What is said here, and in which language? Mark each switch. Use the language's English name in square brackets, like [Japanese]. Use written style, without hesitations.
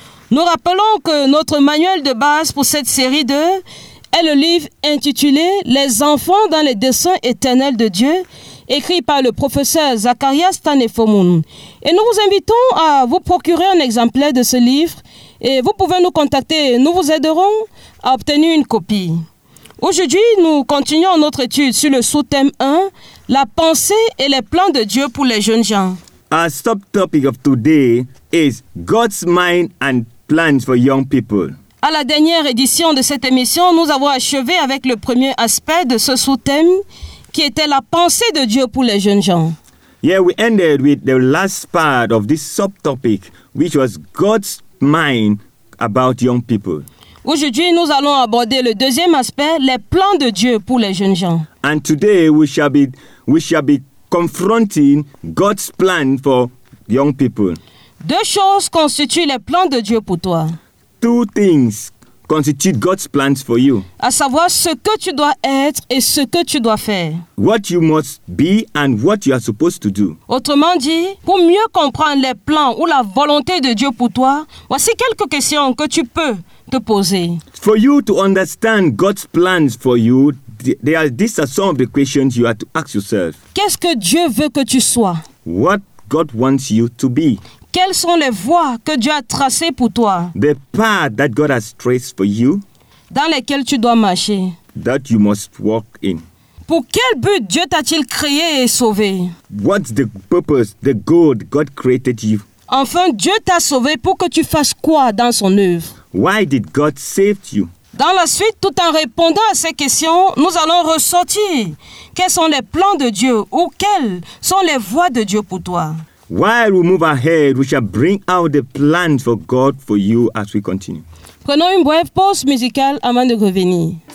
[French] Nous rappelons que notre manuel de base pour cette série 2 est le livre intitulé Les enfants dans les desseins éternels de Dieu, écrit par le professeur Zacharia Stanefomoun. Et nous vous invitons à vous procurer un exemplaire de ce livre et vous pouvez nous contacter, nous vous aiderons à obtenir une copie. Aujourd'hui, nous continuons notre étude sur le sous-thème 1, la pensée et les plans de Dieu pour les jeunes gens. [English] Our subtopic of today is God's mind and plans for young people. [French] À la dernière édition de cette émission, nous avons achevé avec le premier aspect de ce sous-thème qui était la pensée de Dieu pour les jeunes gens. [English] Yeah, we ended with the last part of this subtopic, which was God's mind about young people. [French] Aujourd'hui, nous allons aborder le deuxième aspect, les plans de Dieu pour les jeunes gens. [English] And today we shall be confronting God's plan for young people. [French] Deux choses constituent les plans de Dieu pour toi. [English] Two things constitute God's plans for you. [French] À savoir ce que tu dois être et ce que tu dois faire. [English] What you must be and what you are supposed to do. [French] Autrement dit, pour mieux comprendre les plans ou la volonté de Dieu pour toi, voici quelques questions que tu peux te poser. [English] For you to understand God's plans for you, these are some of the questions you have to ask yourself. [French] Qu'est-ce que Dieu veut que tu sois? [English] What God wants you to be. [French] Quelles sont les voies que Dieu a tracées pour toi? [English] The path that God has traced for you. [French] Dans lesquelles tu dois marcher. [English] That you must walk in. [French] Pour quel but Dieu t'a-t-il créé et sauvé? [English] What's the purpose, the goal God created you? [French] Enfin, Dieu t'a sauvé pour que tu fasses quoi dans son œuvre? [English] Why did God save you? [French] Dans la suite, tout en répondant à ces questions, nous allons ressortir quels sont les plans de Dieu ou quelles sont les voies de Dieu pour toi. [English] While we move ahead, we shall bring out the plans for God for you as we continue. [French] Prenons une brève pause musicale avant de revenir.